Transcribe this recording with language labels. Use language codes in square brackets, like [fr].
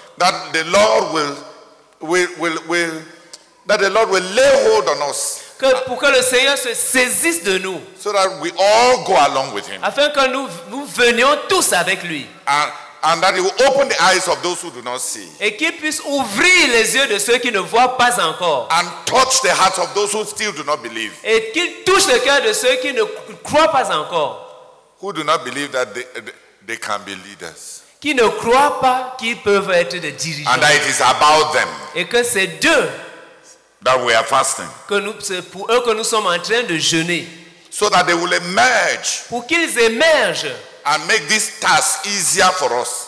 [en] That the Lord will that the Lord will lay hold on us. [fr] Pour que le Seigneur se saisisse de nous. [en] So that we all go along with him. [fr] Afin que nous venions tous avec lui. [en] And that he will open the eyes of those who do not see. [fr] Et qu'il puisse ouvrir les yeux de ceux qui ne voient pas encore. [en] And touch the hearts of those who still do not believe. [fr] Et qu'il touche le cœur de ceux qui ne croient pas encore. [en] Who do not believe that they can be leaders. [fr] Qui ne croient pas qu'ils peuvent être des dirigeants. [en] And that it is about them. [fr] Et que c'est d'eux. [en] That we are fasting. [fr] Que nous, c'est pour eux que nous sommes en train de jeûner. [en] So that they will emerge. [fr] Pour qu'ils émergent. [en] And make this task easier for us.